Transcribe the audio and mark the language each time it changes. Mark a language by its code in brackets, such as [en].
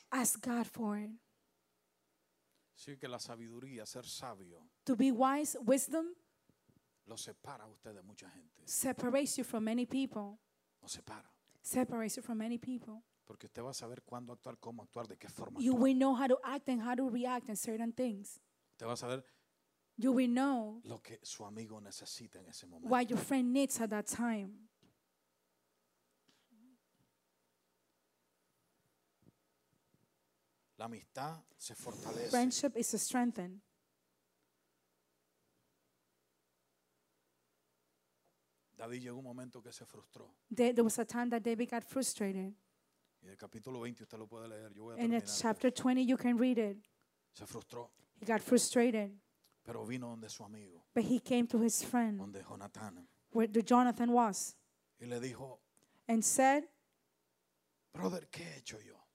[en] Ask God for it. [es] Sí, que la sabiduría, ser sabio, [en] to be wise, wisdom, [es] lo separa usted de mucha gente. [en] Separates you from many people. [es] Lo separa. [en] Separates you from many people. [es] Porque usted va a saber cuándo actuar, cómo actuar, de qué forma. [en] You will know how to act and how to react in certain things. [es] Te vas a ver. [en] You will know [es] lo que su amigo necesita en ese momento. [en] What your friend needs at that time. [es] La amistad se fortalece. [en] Friendship is strengthened. [es] David llegó un momento que se frustró. [en] There was a time that David got frustrated. [es] Y el capítulo 20 usted lo puede leer. Yo voy a terminar. [en] And it's chapter 20, you can read it. [es] Se frustró. [en] He got frustrated. [es] Pero vino donde su amigo. [en] But he came to his friend. [es] Donde Jonathan. [en] Where the Jonathan was. [es] Y le dijo. [en] And said. Brother, [es] ¿qué he hecho yo?